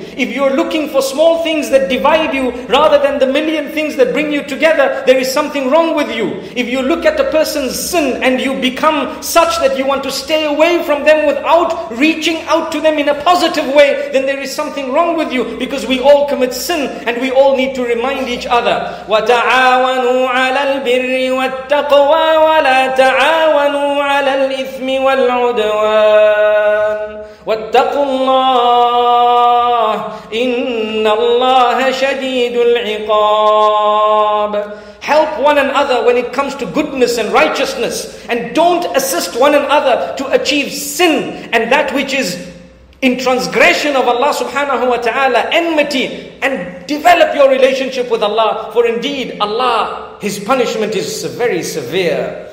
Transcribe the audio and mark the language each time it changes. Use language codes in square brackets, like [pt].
[en] If you're looking for small things that divide you rather than the million things that bring you together, there is something wrong with you. If you look at a person's sin and you become such that you want to stay away from them without reaching out to them in a positive way, then there is something wrong with you, because we all commit sin and we all need to remind each other. [ar] وَتَعَاوَنُوا عَلَى الْبِرِّ وَالتَّقْوَى وَلَا تعاونوا على الإثم والعدوان واتقوا الله إن الله شديد العقاب. [en] Help one another when it comes to goodness and righteousness, and don't assist one another to achieve sin and that which is in transgression of Allah subhanahu wa ta'ala, enmity, and develop your relationship with Allah, for indeed Allah, his punishment is very severe.